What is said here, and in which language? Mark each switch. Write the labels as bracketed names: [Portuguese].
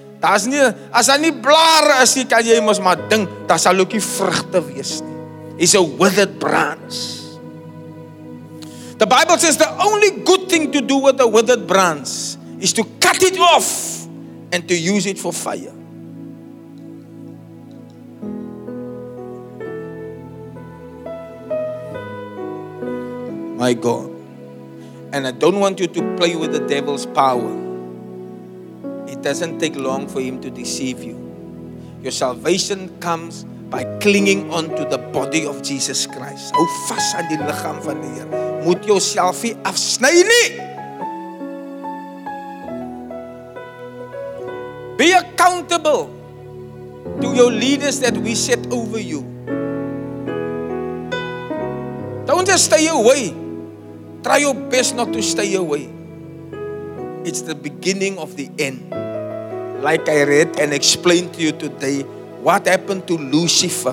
[Afrikaans] Daar's nie, as hy nie blare is, kan jy mos maar dink, daar sal ook nie vrugte wees nie. [English] He's a withered branch. The Bible says the only good thing to do with a withered branch is to cut it off and to use it for fire. My God. And I don't want you to play with the devil's power. It doesn't take long for him to deceive you. Your salvation comes by clinging on to the body of Jesus Christ. [Afrikaans] Hou vas aan die liggaam van die Here. Moet jou selfie afsny nie. [English] Be accountable to your leaders that we set over you. Don't just stay away. Try your best not to stay away. It's the beginning of the end. Like I read and explained to you today, what happened to Lucifer?